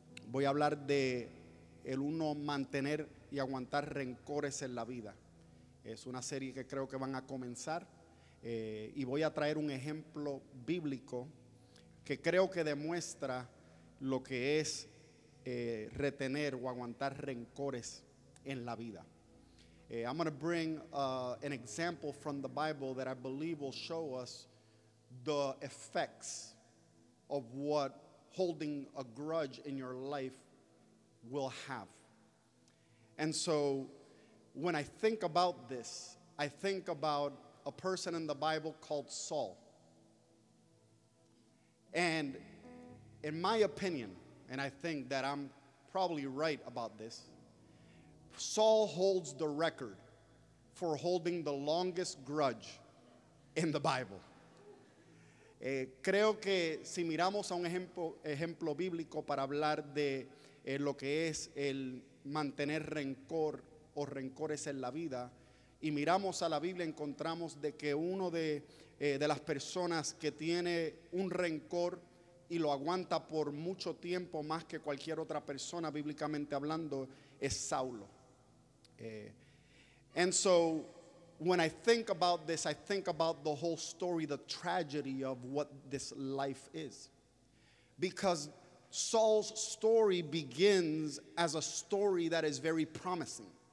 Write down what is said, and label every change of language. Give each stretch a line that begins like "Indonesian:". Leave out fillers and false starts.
Spanish: Voy a hablar de el uno mantener y aguantar rencores en la vida. Es una serie que creo que van a comenzar. Y voy a traer un ejemplo bíblico que creo que demuestra lo que es retener o aguantar rencores en la vida.
English: I'm going to bring an example from the Bible that I believe will show us the effects of what holding a grudge in your life will have. And so when I think about this, I think about a person in the Bible called Saul. And in my opinion, and I think that I'm probably right about this, Saul holds the record for holding the longest grudge in the Bible.
Spanish: Creo que si miramos a un ejemplo bíblico para hablar de lo que es el mantener rencor o rencores en la vida, y miramos a la Biblia, encontramos de que uno de las personas que tiene un rencor y lo aguanta por mucho tiempo más que cualquier otra persona bíblicamente hablando es Saulo.
English: And so when I think about this, I think about the whole story, the tragedy of what this life is, because Saul's story begins as a story that is very promising.